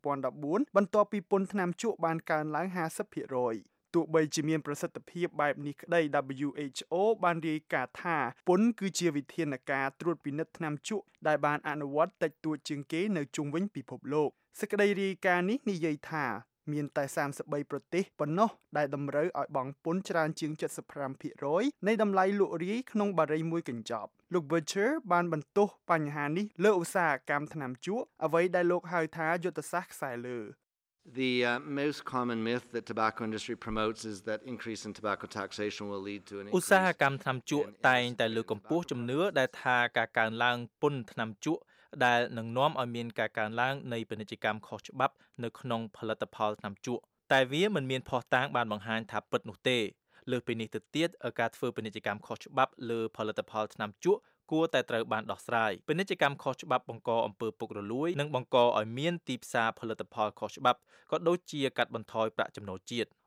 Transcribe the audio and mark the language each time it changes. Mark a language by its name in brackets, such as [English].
[Khmer] 2014បន្ទាប់ពីពន្ធថ្នាំជក់បានកើនឡើង 50%ទោះបីជាមានប្រសិទ្ធភាពបែបនេះក្តី WHO បានរាយការណ៍ថាពន្ធគឺជាវិធានការត្រួតពិនិត្យថ្នាំជក់ដែលបានអនុវត្តតិចតួចជាងគេនៅជុំវិញពិភពលោកសេចក្តីរាយការណ៍នេះនិយាយថា មានតែ33ប្រទេសប៉ុណ្ណោះដែលតម្រូវឲ្យបង់ពន្ធច្រើនជាង 75% នៃតម្លៃលក់រាយក្នុងបារីមួយកញ្ចប់លោក Butcher បានបន្ទោសបញ្ហានេះលើឧស្សាហកម្មថ្នាំជក់អ្វីដែលលោកហៅថាយុទ្ធសាស្ត្រខ្សែលើ [English] The most common myth that tobacco industry promotes is that increase in tobacco taxation will lead to an increase [Khmer] ឧស្សាហកម្មថ្នាំជក់តែងតែលើកកម្ពស់ជំនឿដែលថាការកើនឡើងពន្ធថ្នាំជក់ដែលនឹងនាំឲ្យមានការកើនឡើងនៃពាណិជ្ជកម្មខុសច្បាប់នៅក្នុងផលិតផលថ្នាំជក់តែវាមិនមានភស្តុតាងបានបង្ហាញថាពិតនោះទេលើសពីនេះទៅទៀតការធ្វើពាណិជ្ជកម្មខុសច្បាប់លើផលិតផលថ្នាំជក់គួរតែត្រូវបានដោះស្រាយពាណិជ្ជកម្មខុសច្បាប់បង្កអំពើពុករលួយនិងបង្កឲ្យមានទីផ្សារផលិតផលខុសច្បាប់ក៏ដូចជាកាត់បន្ថយប្រាក់ចំណូលជាតិ